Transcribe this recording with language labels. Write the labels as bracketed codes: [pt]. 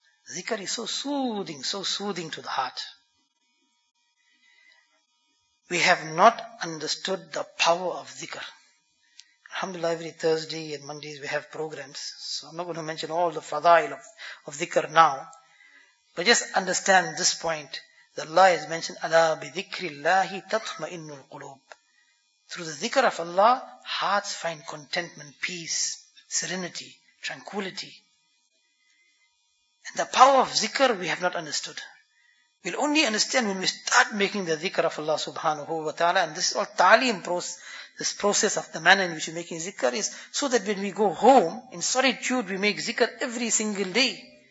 [en] Zikr is so soothing to the heart. We have not understood the power of zikr. Alhamdulillah, every Thursday and Mondays we have programs. So I'm not going to mention all the fadail of zikr now. But just understand this point. The Allah has mentioned, [ar] أَلَا بِذِكْرِ اللَّهِ تَطْمَئِنُّ الْقُلُوبِ. [en] Through the zikr of Allah, hearts find contentment, peace, serenity, tranquility. And the power of zikr we have not understood. We'll only understand when we start making the zikr of Allah subhanahu wa ta'ala. And this is all ta'aleem process. This process of the manner in which we're making zikr is so that when we go home, in solitude, we make zikr every single day.